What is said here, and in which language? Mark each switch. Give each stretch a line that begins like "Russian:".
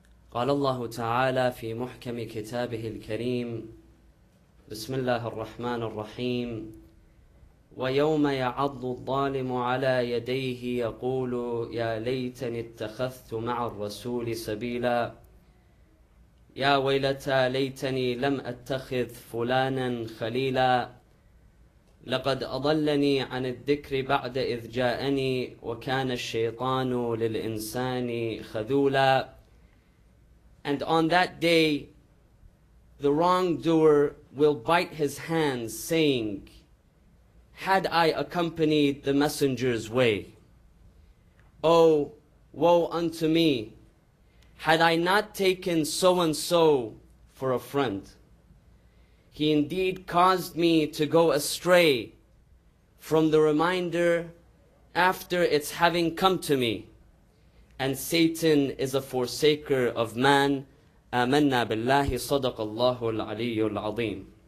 Arabic: قال الله تعالى في محكم كتابه الكريم، بسم الله الرحمن الرحيم، ويوم يعض الظالم على يديه يقول يا ليتني اتخذت مع الرسول سبيلا، يا ويلتى ليتني لم أتخذ فلانا خليلا، لقد أضلني عن الذكر بعد إذ جاءني، وكان الشيطان للإنسان خذولا.
English: And on that day, the wrongdoer will bite his hands, saying, had I accompanied the messenger's way? Oh, woe unto me, had I not taken so-and-so for a friend. He indeed caused me to go astray from the reminder after its having come to me. And Satan is a forsaker of man.
Arabic: آمنا بالله صدق الله العلي العظيم.